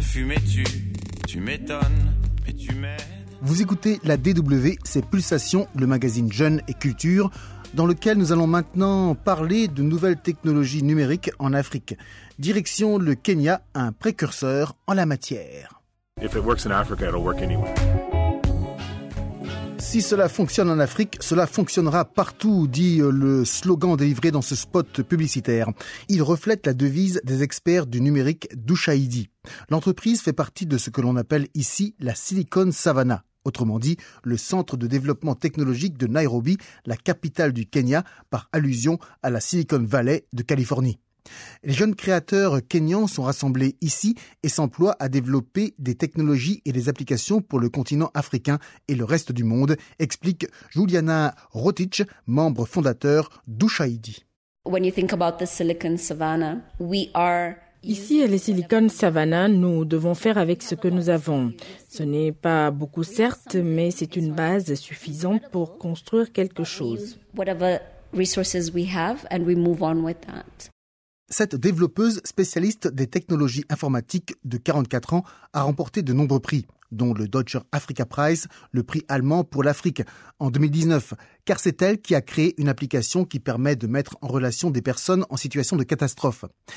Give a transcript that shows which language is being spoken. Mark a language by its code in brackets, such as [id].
[fr] Fumais-tu ? Tu m'étonnes, mais tu m'aides. Vous écoutez la DW, c'est Pulsation, le magazine Jeunes et Culture, dans lequel nous allons maintenant parler de nouvelles technologies numériques en Afrique. Direction le Kenya, un précurseur en la matière. [en] If it works in Africa, it'll work anywhere. [fr] Si cela fonctionne en Afrique, cela fonctionnera partout, dit le slogan délivré dans ce spot publicitaire. Il reflète la devise des experts du numérique d'Ushahidi. L'entreprise fait partie de ce que l'on appelle ici la Silicon Savannah. Autrement dit, le centre de développement technologique de Nairobi, la capitale du Kenya, par allusion à la Silicon Valley de Californie. Les jeunes créateurs kényans sont rassemblés ici et s'emploient à développer des technologies et des applications pour le continent africain et le reste du monde, explique Juliana Rotich, membre fondateur d'Ushahidi. [en] When you think about the Silicon Savannah, we are... [fr] Ici, à la Silicon Savannah, nous devons faire avec ce que nous avons. Ce n'est pas beaucoup, certes, mais c'est une base suffisante pour construire quelque chose. [en] Whatever resources we have and we move on with that. [fr] Cette développeuse spécialiste des technologies informatiques de 44 ans a remporté de nombreux prix, dont le Deutsche Africa Prize, le prix allemand pour l'Afrique, en 2019, car c'est elle qui a créé une application qui permet de mettre en relation des personnes en situation de catastrophe.